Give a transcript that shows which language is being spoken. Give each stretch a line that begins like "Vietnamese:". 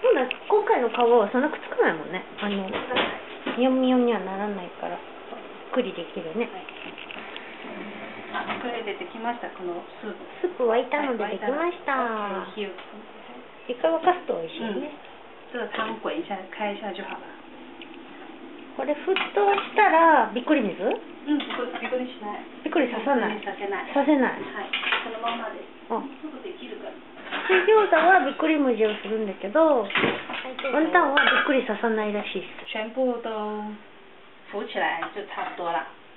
Japanese: ほんなら今回の皮はそんなくっつかないもんね。ミヨンミヨンにはならないから、ゆっくりできるね。はい、これでできました、このスープ。スープ沸いたのでできました。一回沸かすと美味しいね。
Chinese: 这个汤滚一下，开一下就好了。
Japanese: これ沸騰したらびっくり水？うん、びっくりしない。びっくりさせない。させない。させない。はい、そのままで。うん。すぐできるから。水餃子はびっくり水をするんだけど、温蛋はびっくり刺さないらしいです。
Chinese: 全部都浮起来就差不多了。